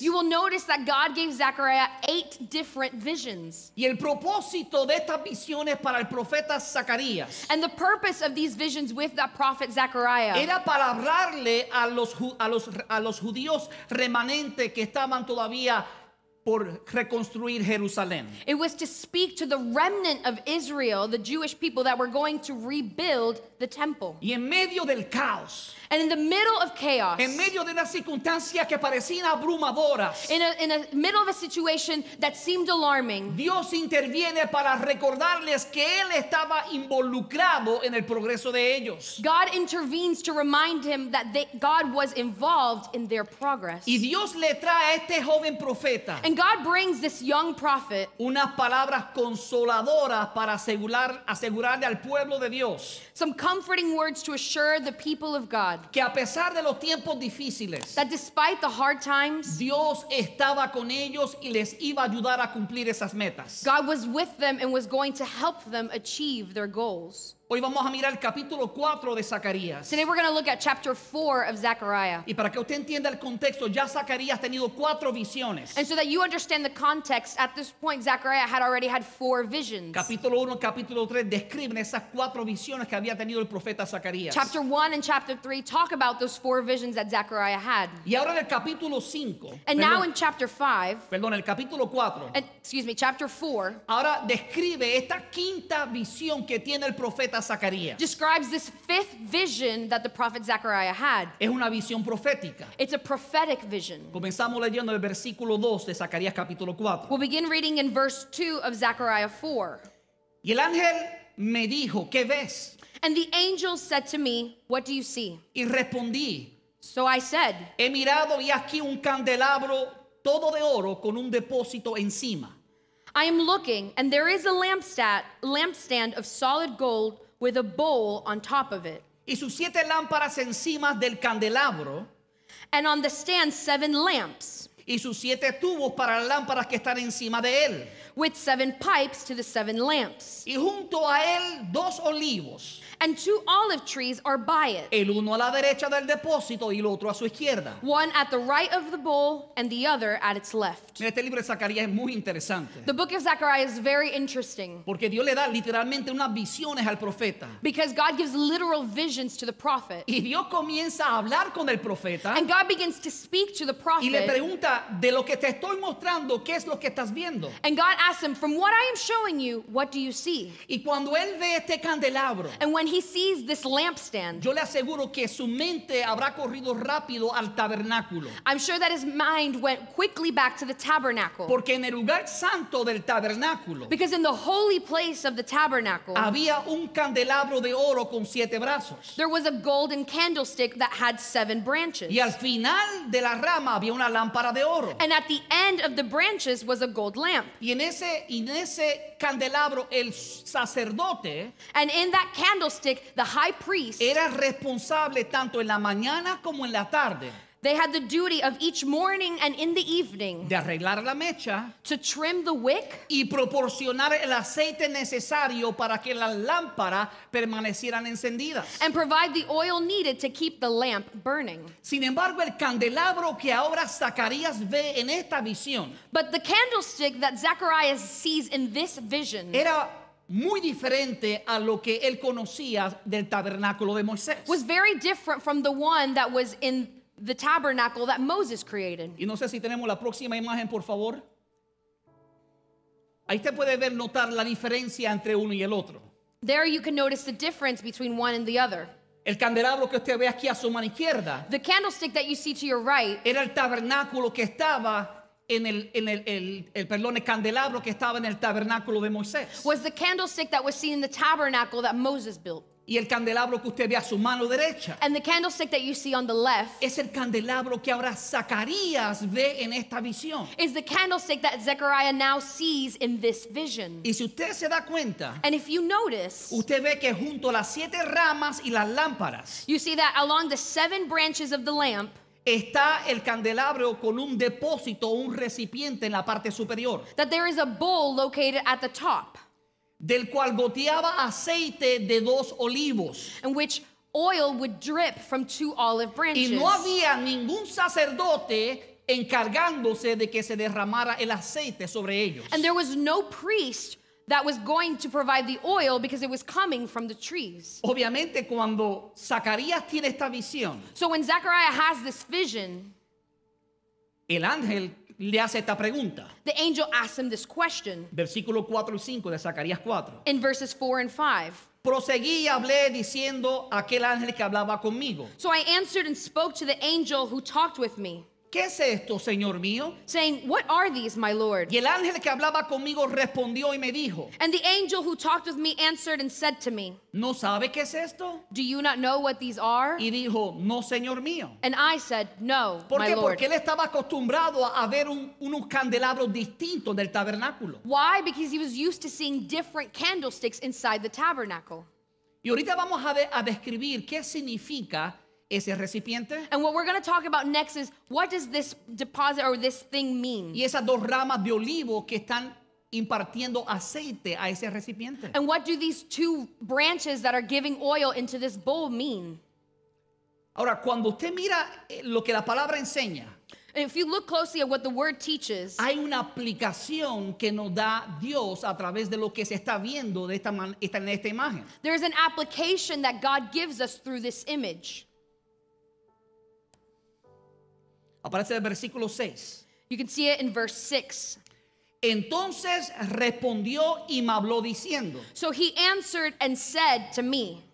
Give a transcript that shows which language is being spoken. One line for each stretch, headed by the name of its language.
English: You will notice that God gave Zechariah 8 different visions.
Spanish: Y el propósito de estas visiones para el profeta Zacarías,
English: and the purpose of these visions with that prophet Zechariah,
Spanish: era para hablarle a los judíos remanente que estaban todavía por reconstruir Jerusalén.
English: It was to speak to the remnant of Israel, the Jewish people that were going to rebuild the temple.
Spanish: Y en medio del caos,
English: and in the middle of chaos,
Spanish: en medio de una circunstancia que parecían abrumadoras,
English: in the middle of a situation that seemed alarming,
Spanish: Dios interviene para recordarles que él estaba involucrado en el progreso de ellos.
English: God intervenes to remind him that God was involved in their progress.
Spanish: Y Dios le trae a este joven profeta,
English: and God brings this young prophet,
Spanish: unas palabras consoladoras para asegurarle al pueblo de Dios,
English: some comforting words to assure the people of God,
Spanish: que a pesar de los tiempos difíciles,
English: that despite the hard times,
Spanish: Dios estaba con ellos y les iba a ayudar a cumplir esas metas.
English: God was with them and was going to help them achieve their goals.
Spanish: Hoy vamos a mirar el capítulo 4 de Zacarías.
English: Today we're going to look at chapter 4 of Zechariah.
Spanish: Y para que usted entienda el contexto, ya Zacarías ha tenido 4 visiones.
English: And so that you understand the context, at this point Zechariah had already had 4 visions.
Spanish: Capítulo 1 y capítulo 3 describen esas 4 visiones que había tenido el profeta Zacarías.
English: Chapter 1 and chapter 3 talk about those 4 visions that Zechariah had.
Spanish: Y ahora en el capítulo 5.
English: And now in chapter 5.
Spanish: Perdón, el capítulo 4.
English: Excuse me, chapter 4.
Spanish: Ahora describe esta quinta visión que tiene el profeta Zacarías.
English: Describes this fifth vision that the prophet Zechariah had.
Spanish: Es una visión profética.
English: It's a prophetic vision.
Spanish: Comenzamos leyendo el versículo 2 de Zacarías capítulo 4.
English: We'll begin reading in verse 2 of Zechariah 4.
Spanish: Y el ángel me dijo, ¿qué ves?
English: And the angel said to me, what do you see?
Spanish: Y respondí,
English: so I said,
Spanish: he mirado y aquí un candelabro todo de oro con un depósito encima.
English: I am looking, and there is a lampstand of solid gold with a bowl on top of it.
Spanish: Y sus 7 lámparas encima del candelabro.
English: And on the stand, 7 lamps.
Spanish: Y sus 7 tubos para las lámparas que están encima de él.
English: With 7 pipes to the 7 lamps.
Spanish: Y junto a él, 2 olivos.
English: And 2 olive trees are by it.
Spanish: El uno a la derecha del depósito y el otro a su izquierda.
English: One at the right of the bowl and the other at its left.
Spanish: Este libro de Zacarías es muy interesante.
English: The book of Zechariah is very interesting.
Spanish: Porque Dios le da literalmente unas visiones al profeta.
English: Because God gives literal visions to the prophet.
Spanish: Y Dios comienza a hablar con el profeta.
English: And God begins to speak to the prophet.
Spanish: Y le pregunta, de lo que te estoy mostrando, ¿qué es lo que estás viendo?
English: And God asks him, from what I am showing you, what do you see?
Spanish: Y cuando él ve este candelabro,
English: and when he sees this lampstand,
Spanish: yo le aseguro que su mente habrá corrido rápido al tabernáculo.
English: I'm sure that his mind went quickly back to the tabernacle.
Spanish: Porque en el lugar santo del tabernáculo,
English: because in the holy place of the tabernacle,
Spanish: había un candelabro de oro con 7 brazos.
English: There was a golden candlestick that had 7 branches.
Spanish: Y al final de la rama había una lámpara de oro.
English: And at the end of the branches was a gold lamp.
Spanish: Y en ese candelabro el sacerdote,
English: and in that candlestick the high priest,
Spanish: era responsable tanto en la mañana como en la tarde.
English: They had the duty of each morning and in the evening,
Spanish: de arreglar la mecha,
English: to trim the wick,
Spanish: y proporcionar el aceite necesario para que las lámparas permanecieran encendidas,
English: and provide the oil needed to keep the lamp burning.
Spanish: Sin embargo, el candelabro que ahora Zacarías ve en esta visión,
English: but the candlestick that Zechariah sees in this vision,
Spanish: era muy diferente a lo que él conocía del tabernáculo de Moisés.
English: Was very different from the one that was in the tabernacle that Moses created.
Spanish: Y no sé si tenemos la próxima imagen, por favor. Ahí usted puede ver, notar la diferencia entre uno y el otro.
English: There you can notice the difference between one and the other.
Spanish: El candelabro que usted ve aquí a su mano izquierda,
English: the candlestick that you see to your right,
Spanish: era el tabernáculo que estaba en el candelabro que estaba en el tabernáculo de Moisés.
English: Was the candlestick that was seen in the tabernacle that Moses built.
Spanish: Y el candelabro que usted ve a su mano derecha,
English: and the candlestick that you see on the left,
Spanish: es el candelabro que ahora Zacarías ve en esta visión,
English: is the candlestick that Zechariah now sees in this vision.
Spanish: Y si usted se da cuenta,
English: and if you notice,
Spanish: usted ve que junto a las 7 ramas y las lámparas,
English: you see that along the 7 branches of the lamp,
Spanish: está el candelabro con un depósito, un recipiente en la parte superior,
English: that there is a bowl located at the top,
Spanish: del cual goteaba aceite de 2 olivos,
English: in which oil would drip from 2 olive branches.
Spanish: Y no había ningún sacerdote encargándose de que se derramara el aceite sobre ellos.
English: And there was no priest that was going to provide the oil because it was coming from the trees.
Spanish: Obviamente, cuando Zacarías tiene esta visión,
English: so when Zechariah has this vision,
Spanish: el ángel le hace esta pregunta.
English: The angel asks him this question.
Spanish: Versículo 4 y 5 de Zacarías 4.
English: In verses 4 and 5.
Spanish: Proseguí y hablé diciendo a aquel ángel que hablaba conmigo.
English: So I answered and spoke to the angel who talked with me.
Spanish: ¿Qué es esto, Señor mío?
English: Saying, what are these, my Lord?
Spanish: Y el ángel que hablaba conmigo respondió y me dijo.
English: And the angel who talked with me answered and said to me.
Spanish: ¿No sabe qué es esto?
English: Do you not know what these are?
Spanish: Y dijo, no, Señor mío.
English: And I said, no,
Spanish: ¿por qué?
English: My Lord.
Spanish: Porque él estaba acostumbrado a ver unos candelabros distintos del tabernáculo.
English: Why? Because he was used to seeing different candlesticks inside the tabernacle.
Spanish: Y ahorita vamos a describir qué significa ese recipiente.
English: And what we're going to talk about next is, what does this deposit or this thing mean?
Spanish: Y esas dos ramas de olivo que están impartiendo aceite a ese recipiente.
English: And what do these two branches that are giving oil into this bowl mean?
Spanish: Ahora, cuando usted mira lo que la palabra enseña,
English: if you look closely at what the word teaches,
Spanish: hay una aplicación que nos da Dios a través de lo que se está viendo de esta imagen.
English: There is an application that God gives us through this image.
Spanish: Aparece el versículo 6.
English: You can see it in verse 6.
Spanish: Entonces respondió y me habló diciendo.
English: So he answered and said to me.